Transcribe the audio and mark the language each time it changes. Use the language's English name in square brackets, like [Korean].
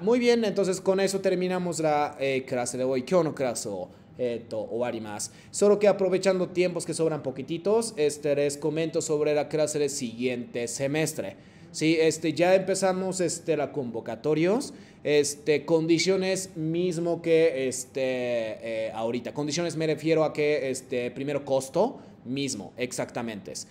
[Spanish] Muy bien, entonces con eso terminamos la clase de hoy. [Japanese] 今日のクラスを終わります。 [Spanish] Solo que aprovechando tiempos que sobran poquititos, les comento sobre la clase del siguiente semestre. Sí, ya empezamos la convocatoria. Condiciones mismo que ahorita. Condiciones me refiero a que primero costo mismo, exactamente.